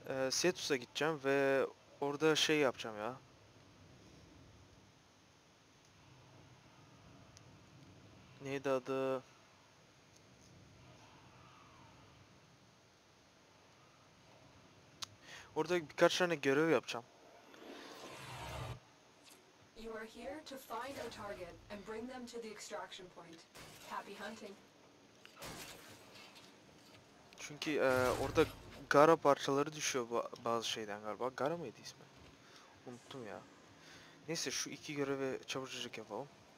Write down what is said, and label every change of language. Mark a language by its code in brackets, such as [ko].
[tr] Cetus'a gideceğim ve orada şey yapacağım ya. Neydi adı? Orada birkaç tane görev yapacağım. [en] You are here to find our target and bring them to the extraction point. Happy hunting. [tr] Çünkü orada Gara parçaları düşüyor bazı şeyden galiba. Gara mıydı ismi? Unuttum ya. Neyse, şu iki görevi çabucak yapalım.